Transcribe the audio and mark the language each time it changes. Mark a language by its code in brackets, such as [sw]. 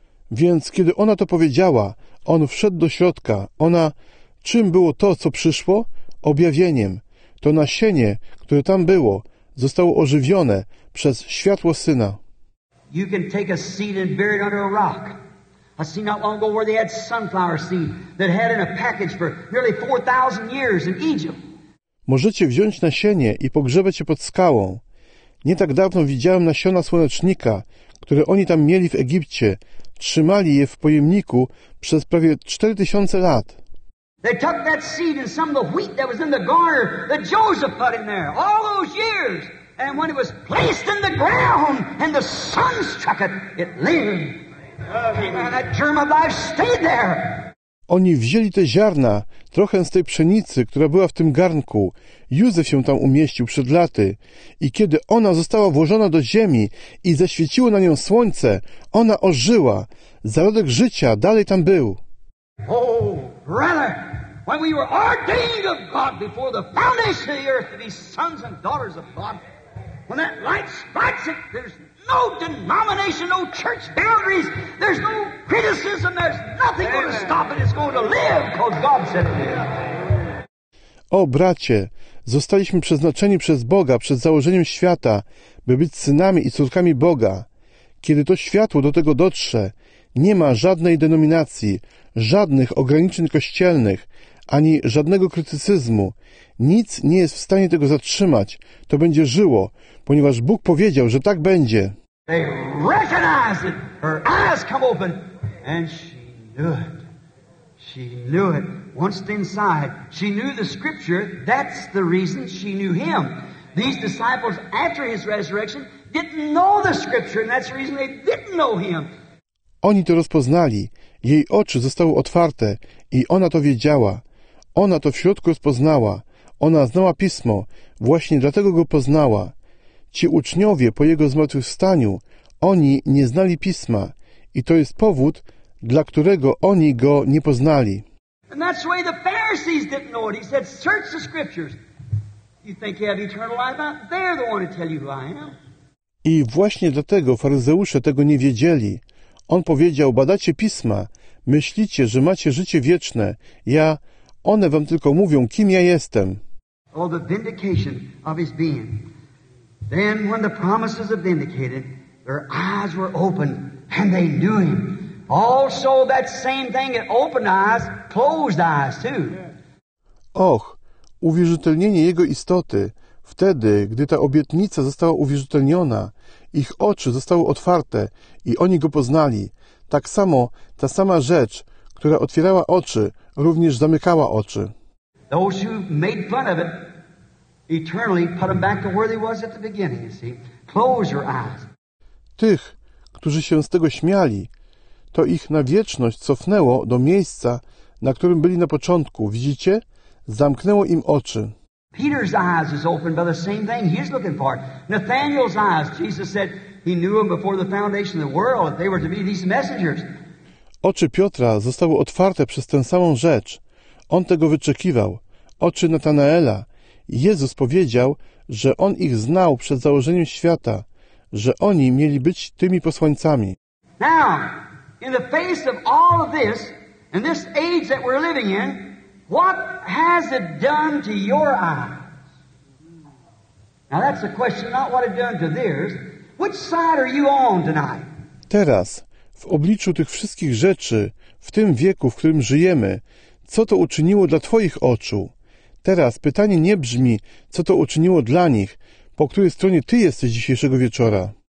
[pl] Więc kiedy ona to powiedziała, on wszedł do środka. Ona, czym było to, co przyszło? Objawieniem. To nasienie, które tam było, zostało ożywione przez światło Syna. [en] You can take a seed and bury it under a rock. I seen not long ago where they had sunflower seed that had in a package for nearly 4,000 years in Egypt. [pl] Możecie wziąć nasienie i pogrzebać je pod skałą. Nie tak dawno widziałem nasiona słonecznika, które oni tam mieli w Egipcie. Trzymali je w pojemniku przez prawie 4000 lat. [en] They took that seed and some of the wheat that was in the garner that Joseph put in there all those years. And when it was placed in the ground and the sun struck it, it lived. And that germ of life stayed there. [pl] Oni wzięli te ziarna, trochę z tej pszenicy, która była w tym garnku. Józef się tam umieścił przed laty. I kiedy ona została włożona do ziemi i zaświeciło na nią słońce, ona ożyła. Zarodek życia dalej tam był. [en] Oh, brother, when we were ordained of God before the foundation of the earth to be sons and daughters of God, when that light strikes it, there's no denomination, no church boundaries, there's no criticism, there's nothing going to stop it. It's going to live, because God said it is. [pl] O bracie, zostaliśmy przeznaczeni przez Boga, przed założeniem świata, by być synami i córkami Boga. Kiedy to światło do tego dotrze, nie ma żadnej denominacji, żadnych ograniczeń kościelnych, ani żadnego krytycyzmu. Nic nie jest w stanie tego zatrzymać. To będzie żyło, ponieważ Bóg powiedział, że tak będzie. [en] They recognize it. Her eyes come open. And she knew it. She knew it. Once inside, she knew the scripture. That's the reason she knew him. These disciples, after his resurrection, didn't know the scripture. And that's the reason they didn't know him. [pl] Oni to rozpoznali. Jej oczy zostały otwarte i ona to wiedziała. Ona to w środku rozpoznała. Ona znała Pismo. Właśnie dlatego go poznała. Ci uczniowie po jego zmartwychwstaniu, oni nie znali Pisma. I to jest powód, dla którego oni go nie poznali. [en] And that's why the Pharisees didn't know it. He said, "Search the scriptures. You think you have eternal life? They're the one to tell you who I am." [pl] I właśnie dlatego faryzeusze tego nie wiedzieli. On powiedział: "Badacie Pisma, myślicie, że macie życie wieczne. Ja, one wam tylko mówią, kim ja jestem." [en] Oh, the vindication of his being. Then when the promises are vindicated, their eyes were opened and they knew him. Also, that same thing, it opened eyes, closed eyes too. [pl] Och, uwierzytelnienie jego istoty, wtedy, gdy ta obietnica została uwierzytelniona, ich oczy zostały otwarte i oni go poznali. Tak samo, ta sama rzecz, która otwierała oczy, również zamykała oczy. [en] Those who made fun of it, eternally put them back to where they was at the beginning, you see. Close your eyes. [pl] Tych, którzy się z tego śmiali, to ich na wieczność cofnęło do miejsca, na którym byli na początku. Widzicie? Zamknęło im oczy. [en] Peter's eyes is opened by the same thing he's looking for. Nathaniel's eyes, Jesus said, he knew him before the foundation of the world, that they were to be these messengers. [pl] Oczy Piotra zostały otwarte przez tę samą rzecz. On tego wyczekiwał. Oczy Natanaela. Jezus powiedział, że on ich znał przed założeniem świata, że oni mieli być tymi posłańcami. [en] Now, in the face of all of this, and this age that we're living in, what has it done to your eyes? Now that's a question, not what it done to theirs. Which side are you on tonight? [pl] Teraz, w obliczu tych wszystkich rzeczy, w tym wieku, w którym żyjemy, co to uczyniło dla twoich oczu? Teraz pytanie nie brzmi, co to uczyniło dla nich, po której stronie ty jesteś dzisiejszego wieczora.